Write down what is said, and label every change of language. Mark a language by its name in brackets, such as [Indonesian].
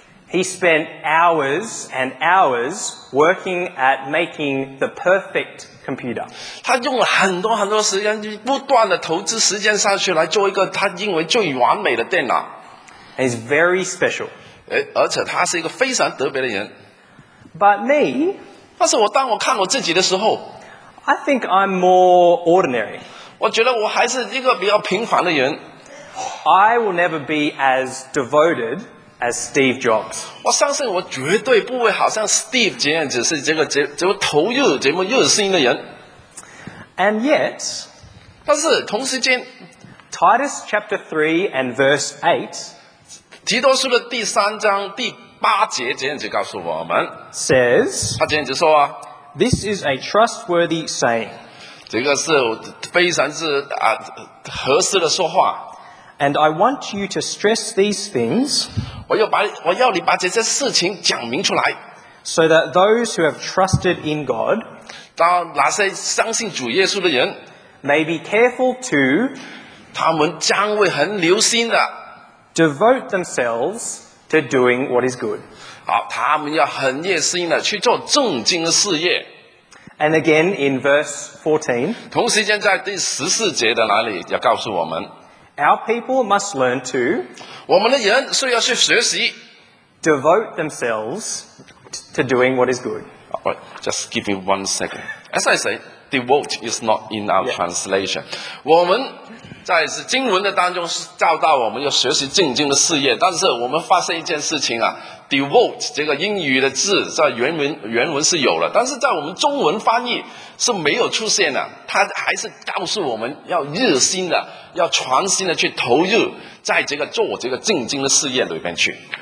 [English] He spent hours and hours working at making the perfect computer. [Chinese] 他用了很多很多时间，不断的投资时间上去来做一个他认为最完美的电脑。 [English] And he's very special. [Chinese] 而且他是一个非常特别的人。 [English] But me, [Chinese] 但是我当我看我自己的时候， [English] I think I'm more ordinary. [Chinese] 我觉得我还是一个比较平凡的人。 [English] I will never be as devoted as Steve Jobs. [Chinese] 我相信我绝对不会好像 Steve 这样子是这个投入这么热心的人。 [English] And yet, [Chinese] 但是同时间， [English] Titus chapter 3 and verse 8, [Chinese] 提多书的第三章第八节这样子告诉我们， [English] says, [Chinese] 他这样子说啊， [English] This is a trustworthy saying. [Chinese] 这个是非常是合适的说话。 [English] And I want you to stress these things, [Chinese] 我要你把这些事情讲明出来， [English] so that those who have trusted in God, [Chinese] 当那些相信主耶稣的人， [English] may be careful to, [Chinese] 他们将会很留心的， [English] devote themselves to doing what is good. [Chinese] 好，他们要很热心的去做正经的事业。 [English] And again in verse 14, [Chinese] 同时间在第十四节的哪里要告诉我们， [English] Our people must learn to, [Chinese] 我们的人需要去学习， [English] devote themselves to doing what is good. Alright, just give me one second. As I say, devote is not in our translation. [Chinese] 我们在经文的当中教导我们要学习正经的事业，但是我们发现一件事情啊， devote 这个英语的字在原文是有了，但是在我们中文翻译是没有出现的。它还是告诉我们要热心的，要全心的去投入在这个做这个正经的事业里面去。